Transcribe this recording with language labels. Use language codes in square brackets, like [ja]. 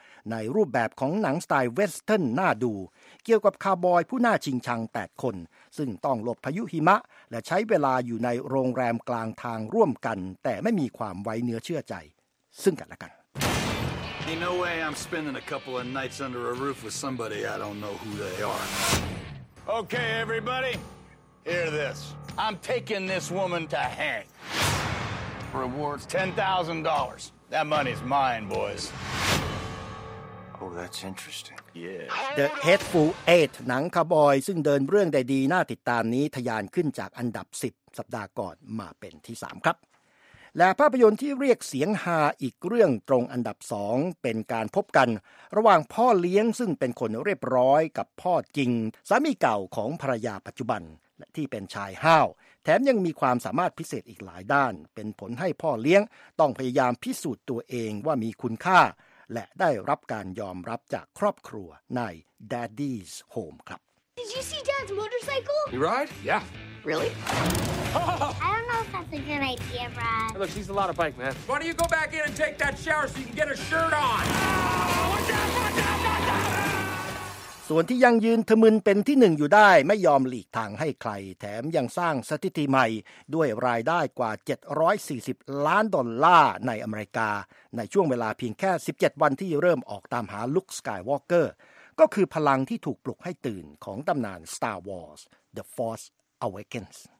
[th] ในรูปแบบของหนังสไตล์เวสเทิร์นน่าดูเกี่ยวกับคาร์บอยผู้น่าชิงชัง8คนซึ่งต้องหลบพายุหิมะและใช้เวลาอยู่ในโรงแรมกลางทางร่วมกันแต่ไม่มีความไว้เนื้อเชื่อใจซึ่งกันและกัน [en] Ain't no way I'm spending a couple of nights under a roof with somebody I don't know who they are. Okay, everybody, hear this. I'm taking this woman to hang. Reward's $10,000. That money's mine, boys. Oh, that's interesting. Yeah. [th] The Hateful Eight, หนังคาร์บอยซึ่งเดินเรื่องได้ดีน่าติดตามนี้ทะยานขึ้นจากอันดับ10สัปดาห์ก่อนมาเป็นที่3ครับและภาพยนตร์ที่เรียกเสียงฮาอีกเรื่องตรงอันดับ2เป็นการพบกันระหว่างพ่อเลี้ยงซึ่งเป็นคนเรียบร้อยกับพ่อจริงสามีเก่าของภรรยาปัจจุบันและที่เป็นชายห้าวแถมยังมีความสามารถพิเศษอีกหลายด้านเป็นผลให้พ่อเลี้ยงต้องพยายามพิสูจน์ตัวเองว่ามีคุณค่า และได้รับการยอมรับจากครอบครัวใน Daddy's Home ครับ [en] Did you see Dad's motorcycle? You ride? Yeah. Really? I don't know if that's a good idea, Brad. Look, she's a lot of bike, man. Why don't you go back in and take that shower so you can get a shirt on? Oh, watch out, watch out, watch out! [th] ส่วนที่ยังยืนทะมึนเป็นที่หนึ่งอยู่ได้ไม่ยอมหลีกทางให้ใครแถมยังสร้างสถิติใหม่ด้วยรายได้กว่า740ล้านดอลลาร์ในอเมริกาในช่วงเวลาเพียงแค่17วันที่เริ่มออกตามหาลุคสกายวอล์กเกอร์ก็คือพลังที่ถูกปลุกให้ตื่นของตำนาน Star Wars The Force Awakens